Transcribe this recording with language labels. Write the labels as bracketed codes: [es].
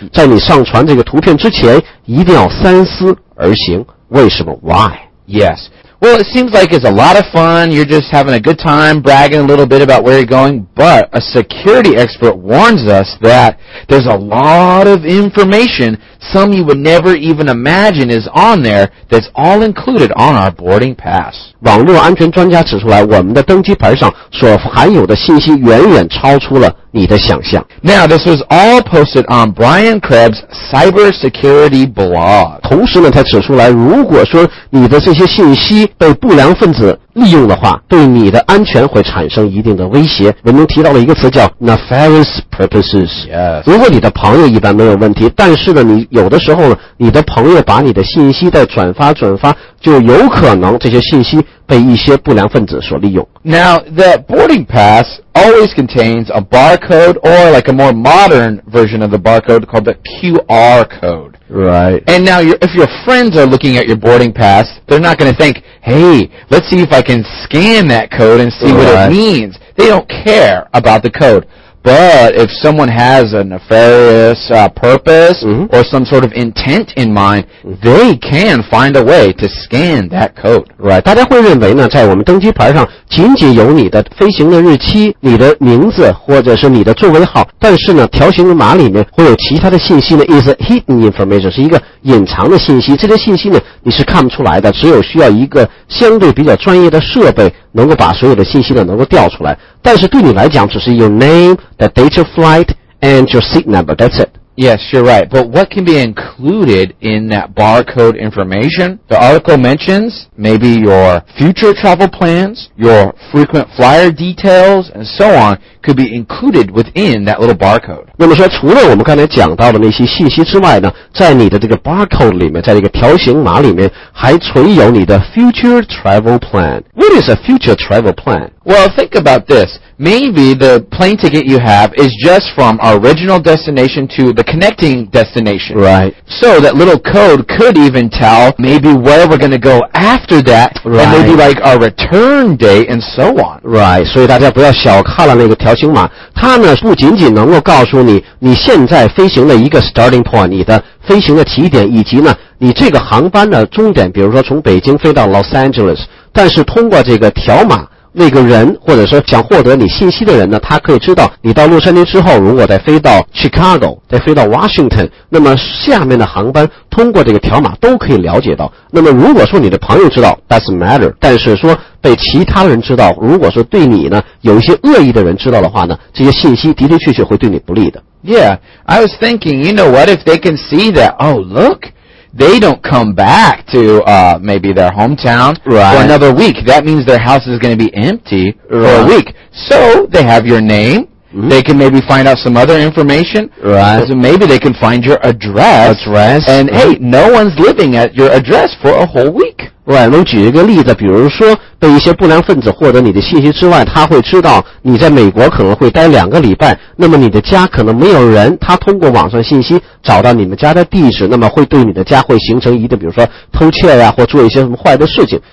[zh] 在你上传这个图片之前，一定要三思而行。为什么 ？ [en] Why? Yes. Well, it seems like it's a lot of fun. You're just having a good time, bragging a little bit about where you're going. But a security expert warns us that there's a lot of information, some you would never even imagine is on there, that's all included on our boarding pass. [zh] 网络安全专家指出来，我们的登机牌上所含有的信息远远超出了你的想象。 [en] Now, this was all posted on Brian Krebs' cybersecurity blog. [zh] 同时呢，他指出来，如果说你的这些信息被不良分子利用的话，对你的安全会产生一定的威胁。文中提到了一个词叫 [en] nefarious purposes。 Yes. [zh] 如果你的朋友一般没有问题，但是呢，你有的时候呢，你的朋友把你的信息再转发，就有可能这些信息被一些不良分子所利用。 [en] Now, the boarding pass always contains a barcode or like a more modern version of the barcode called the QR code. Right. And now, if your friends are looking at your boarding pass, they're not going to think, hey, let's see if I can scan that code and see what it means. They don't care about the code. But if someone has a nefarious purpose or some sort of intent in mind, they can find a way to scan that code. Right. [zh] 大家会认为呢，在我们登机牌上仅仅有你的飞行的日期、你的名字或者是你的座位号，但是呢，条形码里面会有其他的信息呢 ， [en] is hidden information， [zh] 是一个隐藏的信息。这些信息呢，你是看不出来的，只有需要一个相对比较专业的设备能够把所有的信息呢能够调出来。但是对你来讲，只是 [en] your name, the date of flight, and your seat number. That's it. Yes, you're right. But what can be included in that barcode information? The article mentions maybe your future travel plans, your frequent flyer details, and so on could be included within that little barcode. [zh] 那么说，除了我们刚才讲到的那些信息之外呢，在你的这个 barcode 里面，在这个条形码里面，还存有你的 [en] future travel plan. What is a future travel plan? Well, think about this. Maybe the plane ticket you have is just from our original destination to the connecting destination. Right. So that little code could even tell maybe where we're going to go after that. Right. And maybe like our return date and so on. Right. [zh] 所以大家不要小看了那个条形码。它呢不仅仅能够告诉你你现在飞行的一个 [en] starting point, [zh] 你的飞行的起点以及呢你这个航班的终点比如说从北京飞到 Los Angeles, 但是通过这个条码那个人或者说想获得你信息的人呢他可以知道你到洛杉矶之后如果再飞到 Chicago 再飞到 Washington 那么下面的航班通过这个条码都可以了解到那么如果说你的朋友知道 [en] doesn't matter [zh] 但是说被其他人知道如果说对你呢有一些恶意的人知道的话呢这些信息的的确确会对你不利的 [en] Yeah, I was thinking, you know what, if they can see that, oh lookThey don't come back to, maybe their hometown for another week. That means their house is going to be empty for a week. So, they have your name. Mm-hmm. They can maybe find out some other information. Right. So maybe they can find your address. Address. And hey, no one's living at your address for a whole week. Right. [zh] 我举一个例子，比如说被一些不良分子获得你的信息之外，他会知道你在美国可能会待两个礼拜，那么你的家可能没有人。他通过网上信息找到你们家的地址，那么会对你的家会形成一定，比如说偷窃呀、或做一些什么坏的事情。